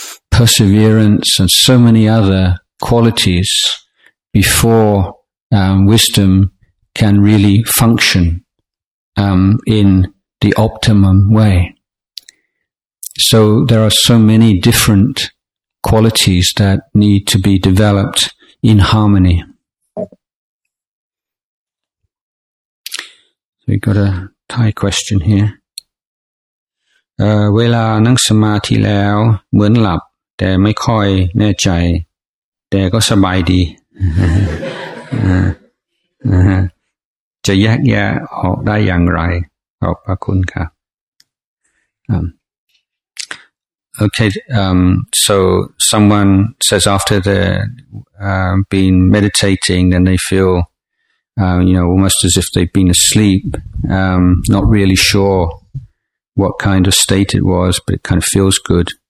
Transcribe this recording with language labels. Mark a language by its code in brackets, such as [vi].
[en] perseverance and so many other qualities before wisdom can really function in the optimum way. So there are so many different qualities that need to be developed in harmony. We've got a Thai question here. [th] เวลานั่งสมาธิแล้วเหมือนหลับแต่ไม่ค่อยแน่ใจแต่ก็สบายดีจะแยกแยะออกได้อย่างไรขอบพระคุณครับ [en] Okay, so someone says after they've been meditating, then they feel, you know, almost as if they've been asleep, not really sure what kind of state it was, but it kind of feels good.